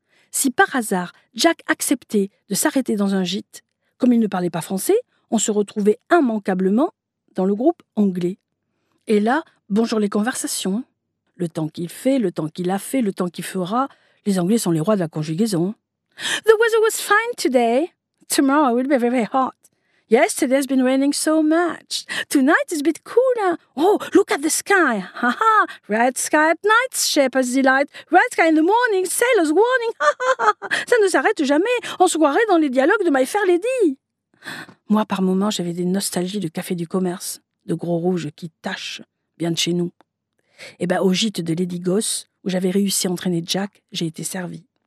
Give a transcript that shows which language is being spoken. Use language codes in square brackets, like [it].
[fr] Si par hasard, Jack acceptait de s'arrêter dans un gîte, comme il ne parlait pas français, on se retrouvait immanquablement dans le groupe anglais. Et là, bonjour les conversations. Le temps qu'il fait, le temps qu'il a fait, le temps qu'il fera, les Anglais sont les rois de la conjugaison. [en] The weather was fine today. Tomorrow will be very, very hot. Yesterday has been raining so much. Tonight is a bit cooler. Oh, look at the sky. Ha ha. Red sky at night, shepherd's delight. Red sky in the morning, sailor's warning. [fr] Ha ha ha. Ça ne s'arrête jamais. On se croirait dans les dialogues de My Fair Lady. Moi, par moments, j'avais des nostalgies de café du commerce, de gros rouges qui tâchent bien de chez nous. Eh bien, au gîte de Lady Goss, où j'avais réussi à entraîner Jack, j'ai été servie.